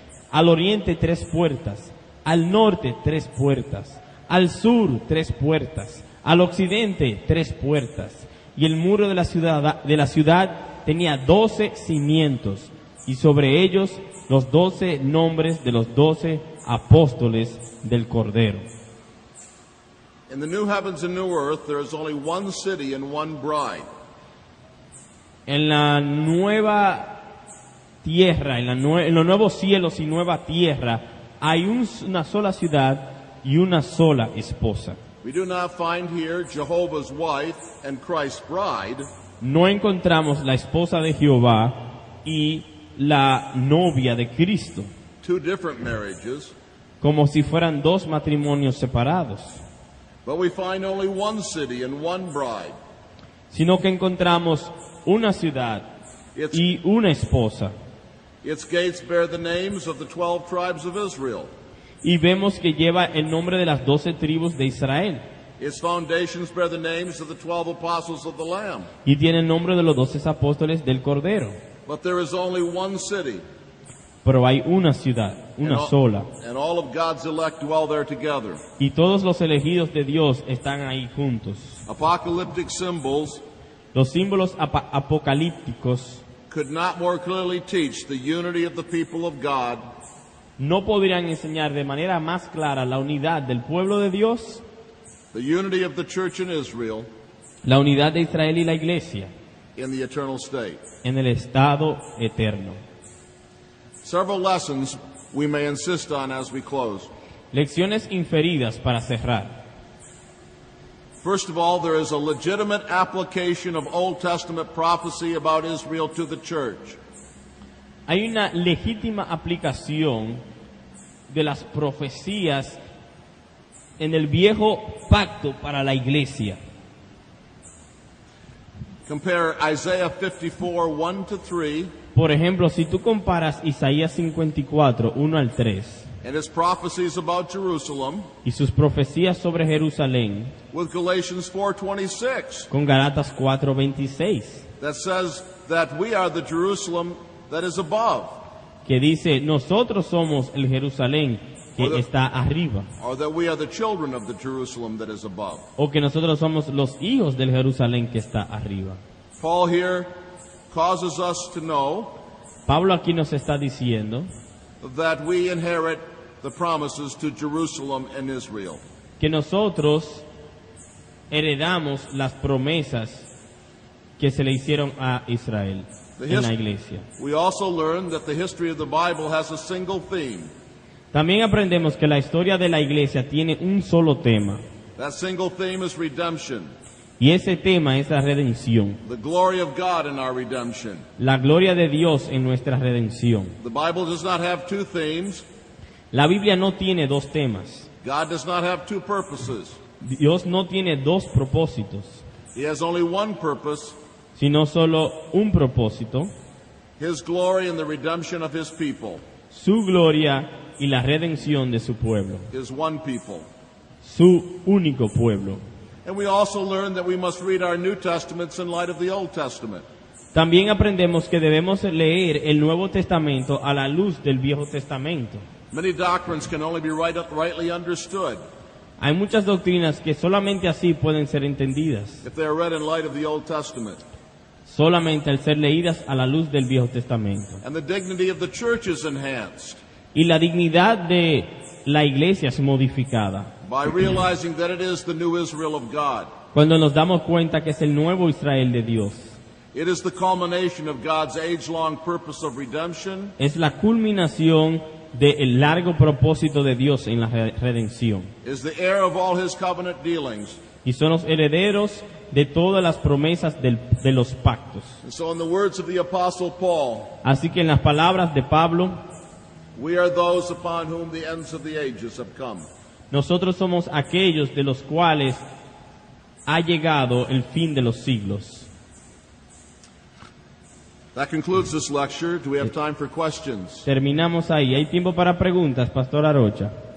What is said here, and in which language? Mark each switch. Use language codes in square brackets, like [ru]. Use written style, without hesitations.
[es] Al oriente 3 puertas, al norte 3 puertas, al sur 3 puertas, al occidente 3 puertas. Y el muro de la ciudad tenía 12 cimientos, y sobre ellos los 12 nombres de los 12 apóstoles del Cordero. [en] In the new heavens and new earth, there is only one city and one bride. [es] En la nueva tierra, en los nuevos cielos y nueva tierra, hay una sola ciudad y una sola esposa. [en] We do not find here Jehovah's wife and Christ's bride. [es] No encontramos la esposa de Jehová y la novia de Cristo. [en] Two different marriages. [es] Como si fueran dos matrimonios separados. [en] But we find only one city and one bride. [es] Sino que encontramos una ciudad y una esposa. [en] Its gates bear the names of the 12 tribes of Israel. [es] Y vemos que lleva el nombre de las 12 tribus de Israel. [en] Its foundations bear the names of the 12 apostles of the Lamb. [es] Y tiene el nombre de los 12 apóstoles del Cordero. [en] But there is only one city. [es] Pero hay una ciudad, una sola. [en] And all of God's elect dwell there together. [es] Y todos los elegidos de Dios están ahí juntos. [en] Apocalyptic symbols. [es] Los símbolos apocalípticos [en] could not more clearly teach the unity of the people of God. [es] No podrían enseñar de manera más clara la unidad del pueblo de Dios, [en] the unity of the church in Israel, [es] la unidad de Israel y la iglesia, [en] in the eternal state, [es] en el estado eterno. [en] Several lessons we may insist on as we close. [es] Lecciones inferidas para cerrar. [en] First of all, there is a legitimate application of Old Testament prophecy about Israel to the church. [es] Hay una legítima aplicación de las profecías en el viejo pacto para la iglesia. [en] Compare Isaiah 54, 1-3. [es] Por ejemplo, si tú comparas Isaías 54, 1-3. [en] And his prophecies about Jerusalem. [es] Y sus profecías sobre Jerusalén. [en] With Galatians 4:26. [es] Con Galatas 4:26. [en] That says that we are the Jerusalem that is above. [es] Que dice nosotros somos el Jerusalén que está arriba. [en] Or that we are the children of the Jerusalem that is above. [es] O que nosotros somos los hijos del Jerusalén que está arriba. [en] Paul here causes us to know. [es] Pablo aquí nos está diciendo. [en] That we inherit the promises to Jerusalem and Israel. [es] Que nosotros heredamos las promesas que se le hicieron a Israel en la iglesia. [en] We also learn that the history of the Bible has a single theme. [es] También aprendemos que la historia de la iglesia tiene un solo tema. [en] That single theme is redemption. [es] Y ese tema es la redención. [en] The glory of God in our redemption. [es] La gloria de Dios en nuestra redención. [en] The Bible does not have two themes. [es] La Biblia no tiene dos temas. [en] God does not have two purposes. [es] Dios no tiene dos propósitos. [en] He has only one purpose. [es] Sino solo un propósito. [en] His glory and the redemption of his people. [es] Su gloria y la redención de su pueblo. [en] His one people. [es] Su único pueblo. [en] And we also learn that we must read our New Testaments in light of the Old Testament. [es] También aprendemos que debemos leer el Nuevo Testamento a la luz del Viejo Testamento. [en] Many doctrines can only be rightly understood. [es] Hay muchas doctrinas que solamente así pueden ser entendidas. [en] If they are read in light of the Old Testament. [es] Solamente al ser leídas a la luz del Viejo Testamento. [en] And the dignity of the church is enhanced. [es] Y la dignidad de la iglesia es modificada. [en] By realizing that it is the new Israel of God. [es] Cuando nos damos cuenta que es el nuevo Israel de Dios. [en] It is the culmination of God's age-long purpose of redemption. [es] Es la culminación del largo propósito de Dios en la redención. [en] Is the heir of all his covenant dealings. [es] Y son los herederos de todas las promesas de los pactos. [en] And so in the words of the Apostle Paul, [es] así que en las palabras de Pablo, [en] we are those upon whom the ends of the ages have come. [es] Nosotros somos aquellos de los cuales ha llegado el fin de los siglos. [en] That concludes this lecture. Do we have time for questions? [es] Terminamos ahí. ¿Hay tiempo para preguntas, Pastor Arocha?